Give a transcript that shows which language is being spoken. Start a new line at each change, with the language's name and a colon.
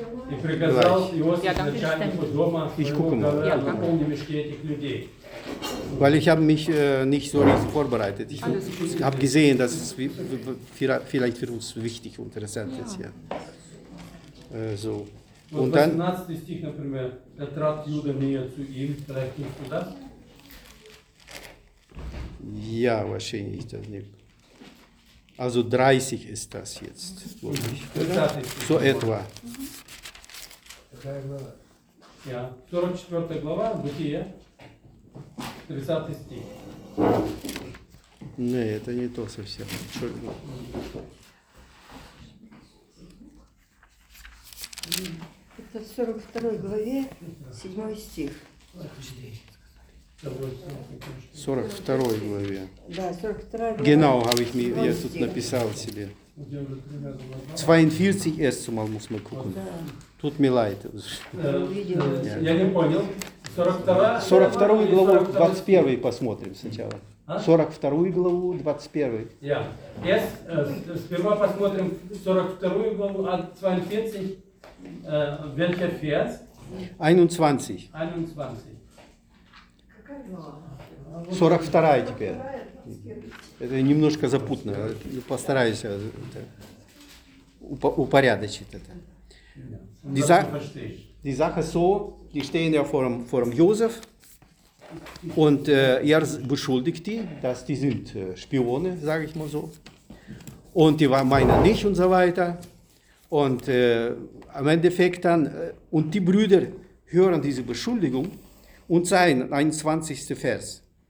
Russian: И приказал его начальнику дома наполнить мешки этих людей.
German: Weil ich habe mich nicht so richtig vorbereitet. Ich habe gesehen, dass es vielleicht für uns wichtig und interessant ist. Ja. So. Und dann, 18. Stich, например, da trat Judah näher zu ihm. Vielleicht kennst du das? Ja, wahrscheinlich das nicht. Also 30 ist das jetzt. So etwa.
Russian: Ja, 44. Глава, Бытие, 30. Стих. Nee, это не то совсем.
German: Entschuldigung.
Russian: Это в 42 главе, 7 стих. 42 главе. Да, 42 главе.
German: Genau, habe ich mir jetzt
Russian: тут написал себе.
German: 42 erstes Mal muss man gucken.
Russian: Тут мне лайт. Я не понял. 42 главу, 21 посмотрим сначала. 42 главу, 21. Я. Сперва посмотрим 42 главу, а 42.
German: Welcher Vers? 21. 21.
Russian: 42 теперь. Это немножко запутно. Постараюсь это упорядочить это.
German: Die Sache ist so, die stehen ja vor dem Josef und er beschuldigt die, dass die sind Spione, sage ich mal so. Und die waren meiner nicht und so weiter. Und am Endeffekt dann, und die Brüder hören diese Beschuldigung und sein 21. Vers.